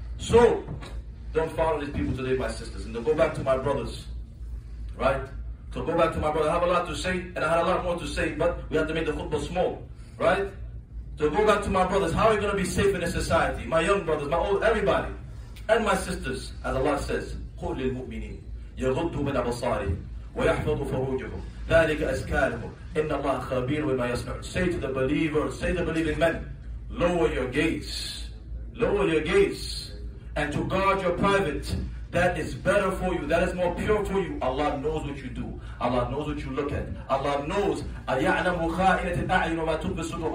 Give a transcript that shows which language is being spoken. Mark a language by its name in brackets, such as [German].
[English] So, don't follow these people today, my sisters. And to go back to my brothers, right? To go back to my brother, I have a lot to say, and I had a lot more to say, but we have to make the khutbah small. Right? To go back to my brothers, how are you going to be safe in this society? My young brothers, my old, everybody. And my sisters, as Allah says, [Arabic] قُلْ لِلْمُؤْمِنِينَ يَغُضُّوا مِنْ أَبْصَارِهِمْ وَيَحْفَظُوا فُرُوجَهُمْ ذَلِكَ أَزْكَاهُمْ إِنَّ اللَّهَ خَبِيرٌ بِمَا يَصْنَعُونَ. [English] Say to the believers, say to the believing men, lower your gaze. Lower your gaze. And to guard your private, that is better for you. That is more pure for you. Allah knows what you do. Allah knows what you look at. Allah knows. [Arabic] أَيَعْلَمُ خَائِنَةِ الْأَعْيُنُ وَمَا تُبْ بِالصُّدُورِ.